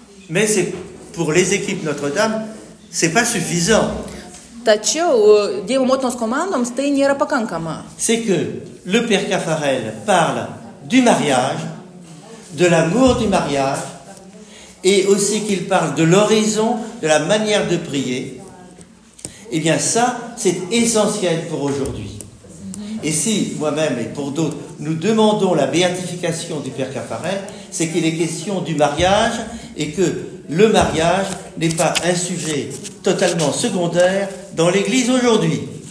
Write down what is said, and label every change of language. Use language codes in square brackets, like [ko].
[fr] Mais c'est pour les équipes Notre-Dame, c'est pas suffisant. [lt] Tačiau Dievo motinos komandoms tai nėra pakankama. [fr] C'est que le père Caffarel parle du mariage, de l'amour du mariage, et aussi qu'il parle de l'horizon, de la manière de prier. Eh bien ça, c'est essentiel pour aujourd'hui. Et si moi-même et pour d'autres, nous demandons la béatification du père Caffarel, c'est qu'il est question du mariage et que le mariage n'est pas un sujet totalement secondaire dans l'Église aujourd'hui.